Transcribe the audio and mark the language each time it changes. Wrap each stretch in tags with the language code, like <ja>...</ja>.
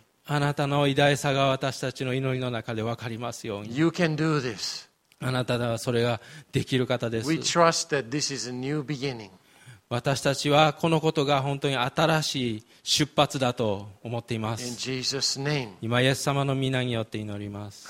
<ja>あなたの偉大さが私たちの祈りの中で分かりますように。</ja> <en>You can do this.</en> <ja>あなたはそれができる方です。</ja> <en>We trust that this is a new beginning.</en> <ja>私たちはこのことが本当に新しい出発だと思っています。</ja> <en>In Jesus' name.</en> <ja>今イエス様の御名によって祈ります。</ja>